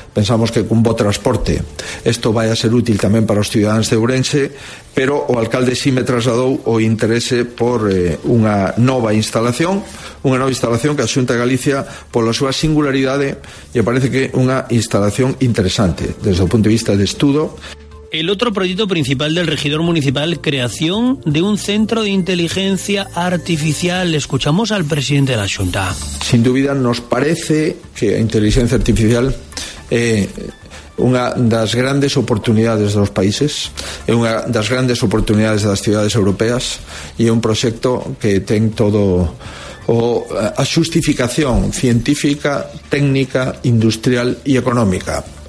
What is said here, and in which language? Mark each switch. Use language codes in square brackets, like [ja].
[gl] Pensamos que cun bo transporte isto vai a ser útil tamén para os cidadáns de Ourense, pero o alcalde sí me trasladou o interese por unha nova instalación que a Xunta de Galicia, pola súa singularidade, lle parece que unha instalación interesante desde o punto de vista de estudo. [es] El otro proyecto principal del regidor municipal, creación de un centro de inteligencia artificial. Escuchamos al presidente de la Xunta. [gl] Sin dúbida, nos parece que a inteligencia artificial é unha das grandes oportunidades dos países, é unha das grandes oportunidades das cidades europeas e é un proxecto que ten todo o a xustificación científica, técnica, industrial e económica.